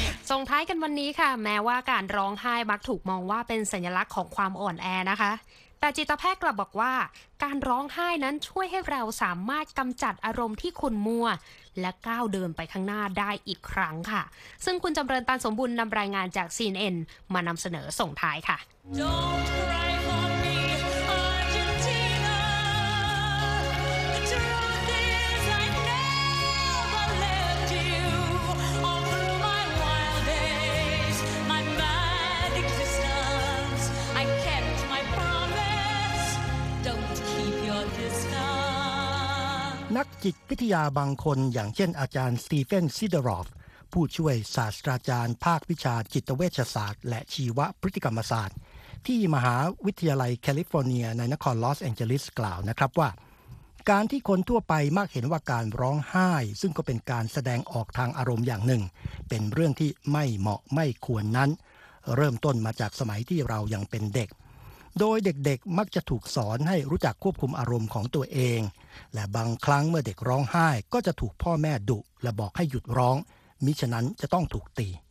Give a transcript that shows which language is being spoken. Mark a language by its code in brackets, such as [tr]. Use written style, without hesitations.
[th] ส่งท้ายกันวันนี้ค่ะแม้ว่าการร้องไห้มักถูกมองว่าเป็นสัญลักษณ์ของความอ่อนแอนะคะแต่จิตแพทย์กลับบอกว่าการร้องไห้นั้นช่วยให้เราสามารถกำจัดอารมณ์ที่ขุ่นมัวและก้าวเดินไปข้างหน้าได้อีกครั้งค่ะซึ่งคุณจำเริญตันสมบูรณ์นำรายงานจาก CNN มานำเสนอส่งท้ายค่ะ [en] Don't cry for me, Argentina. The truth is I never left you. All through my wild days, my mad existence, I kept my promise. Don't keep your distance. [th] นักจิตวิทยาบางคนอย่างเช่นอาจารย์สตีเฟนซิดอรอฟผู้ช่วยศาสตราจารย์ภาควิชาจิตเวชศาสตร์และชีวพฤติกรรมศาสตร์ที่มหาวิทยาลัยแคลิฟอร์เนียในนครลอสแองเจลิสกล่าวนะครับว่า การที่คนทั่วไปมักเห็นว่าการร้องไห้ซึ่งก็เป็นการแสดงออกทางอารมณ์อย่างหนึ่งเป็นเรื่องที่ไม่เหมาะไม่ควรนั้นเริ่มต้นมาจากสมัยที่เรายังเป็นเด็กโดยเด็กๆมักจะถูกสอนให้รู้จักควบคุมอารมณ์ของตัวเองและบางครั้งเมื่อเด็กร้องไห้ก็จะถูกพ่อแม่ดุและบอกให้หยุดร้องมิฉะนั้นจะต้องถูกตี